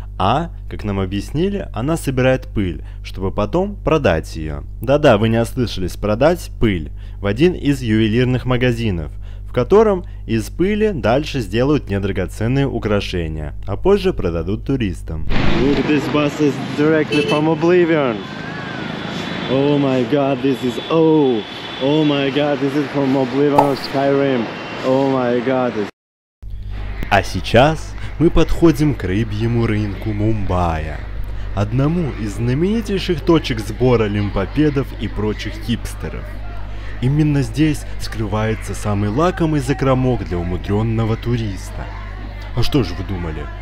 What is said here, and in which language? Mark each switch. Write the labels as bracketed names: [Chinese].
[Russian] А, как нам объяснили, она собирает пыль, чтобы потом продать ее. Да-да, вы не ослышались, продать пыль в один из ювелирных магазинов, в котором из пыли дальше сделают недрагоценные украшения, а позже продадут туристам. [English] Look, this bus is directly from Oblivion. Oh my god, this is Oh my god, this is from Oblivion of Skyrim. Oh my god. [Russian] А сейчас мы подходим к рыбьему рынку Мумбая, одному из знаменитейших точек сбора лимпопедов и прочих хипстеров. Именно здесь скрывается самый лакомый закромок для умудренного туриста. А что же вы думали?